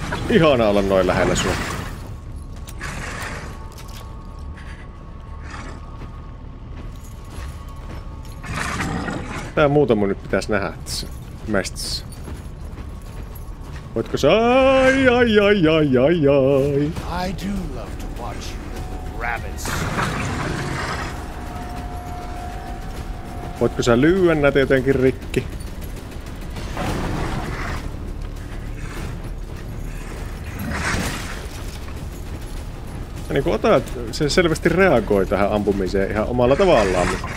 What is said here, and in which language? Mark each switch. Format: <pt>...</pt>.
<fi>Ihana olla noin lähellä sua. Tää muutama nyt pitäis nähdä tässä mestissä. Voitko sä... Ai.</fi> <en>I do love to watch you, rabbits.</en> <fi>Voitko sä lyödä näitä jotenkin rikki? Ja niin kuin ota, se selvästi reagoi tähän ampumiseen ihan omalla tavallaan.</fi>